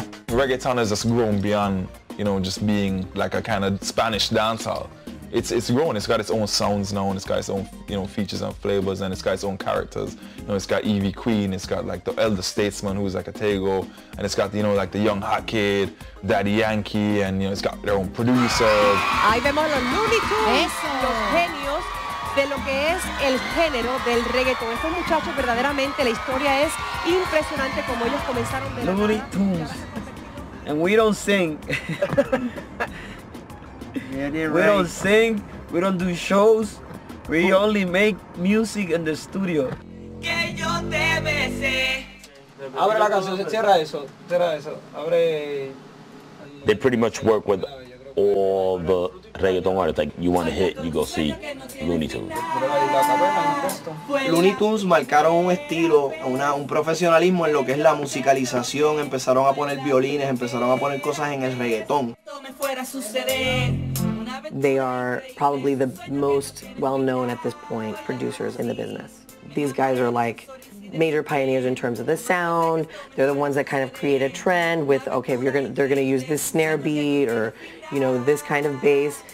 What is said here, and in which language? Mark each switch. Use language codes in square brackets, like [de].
[en] Reggaeton has just grown beyond, you know, just being like a kind of Spanish dancehall. It's grown. It's got its own sounds now, and it's got its own, you know, features and flavors, and it's got its own characters. You know, it's got Evie Queen, it's got like the elder statesman who's like a Tego, and it's got, you know, like the young hot kid, Daddy Yankee, and you know, it's got their own producers. [es] Ahí vemos los Looney Tunes, los genios de lo que es el género del reggaeton. Estos muchachos, verdaderamente, la historia es impresionante como ellos comenzaron. [en] Los Looney Tunes. And we don't sing. We don't sing, we don't do shows. We only make music in the studio. [es] Que yo te besé. Abre la canción, cierra eso. Cierra eso. Abre. [en] They pretty much work with all the reggaeton artists. Like, you want to hit, you go see Looney Tunes. [es] Looney Tunes marcaron un estilo, un profesionalismo en lo que es la musicalización. Empezaron a poner violines, empezaron a poner cosas en el reggaeton. [en] They are probably the most well-known at this point producers in the business. These guys are like major pioneers in terms of the sound. They're the ones that kind of create a trend with, okay, they're gonna use this snare beat or, you know, this kind of bass.